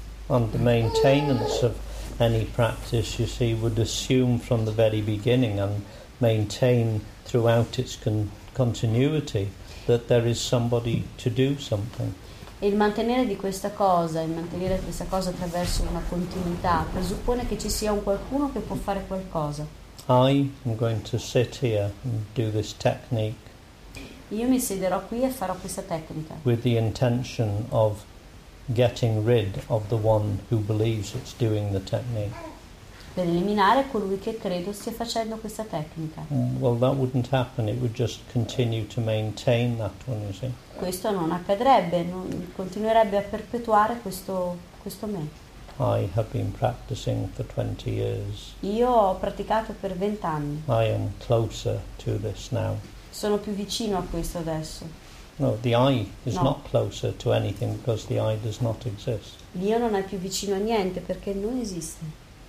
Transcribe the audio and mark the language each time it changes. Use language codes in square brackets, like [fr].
[en] And the maintenance of any practice, you see, would assume from the very beginning and maintain throughout its continuity that there is somebody to do something. [it] Il mantenere di questa cosa, il mantenere questa cosa attraverso una continuità, presuppone che ci sia un qualcuno che può fare qualcosa. [en] I am going to sit here and do this technique. [it] Io mi siederò qui e farò questa tecnica. [en] With the intention of getting rid of the one who believes it's doing the technique. [it] Per eliminare colui che credo stia facendo questa tecnica. [en] Well, that wouldn't happen. It would just continue to maintain that one, you see. [it] Questo non accadrebbe, non continuerebbe a perpetuare questo me. [en] I have been practicing for 20 years. [it] Io ho praticato per 20 anni. [en] I am closer to this now. [it] Sono più vicino a questo adesso. [en] No, the I is not closer to anything because the I does not exist. [it] L'io non è più vicino a niente perché non esiste.